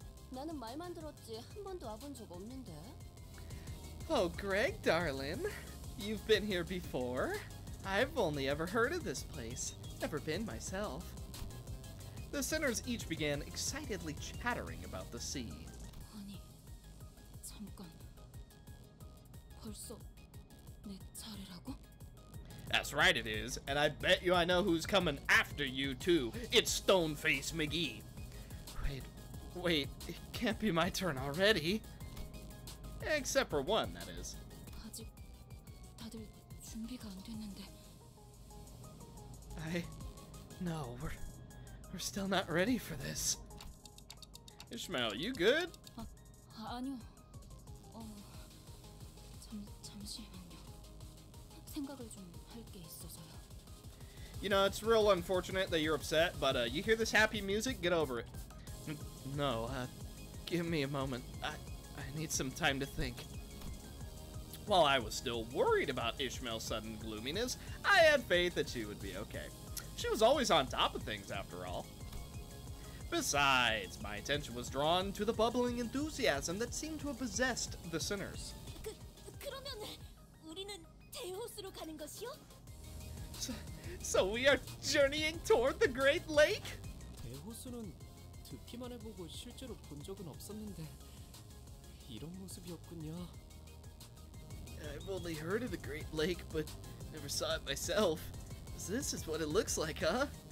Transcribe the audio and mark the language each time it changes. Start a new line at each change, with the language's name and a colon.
Korean: 나는 말만 들었지 한 번도 와본 적 없는데.
English: Oh, Greg, darling, you've been here before. I've only ever heard of this place, never been myself. The sinners each began excitedly chattering about the sea.
Korean: 아니, 잠깐. 벌써 내 차례라고?
English: That's right, it is, and I bet you I know who's coming after you too. It's Stoneface McGee. Wait, it can't be my turn already. Except for one, that is.
Korean: 아직 다들 준비가 안 됐는데.
English: No, we're still not ready for this. Ishmael, you good?
Korean: 아니요. 잠시만요. 생각을 좀 할 게 있어서요.
English: You know, it's real unfortunate that you're upset, but you hear this happy music, get over it. No, give me a moment. I need some time to think. While I was still worried about Ishmael's sudden gloominess, I had faith that she would be okay. She was always on top of things, after all. Besides, my attention was drawn to the bubbling enthusiasm that seemed to have possessed the sinners.
Korean: 그러면 우리는 대호수로 가는 것이요?
English: So we are journeying toward the Great Lake?
Korean: 대호수는 듣기만 해보고 실제로 본 적은 없었는데 이런 모습이었군요.
English: I've only heard of the Great Lake, but never saw it myself. So this is what it looks like, huh?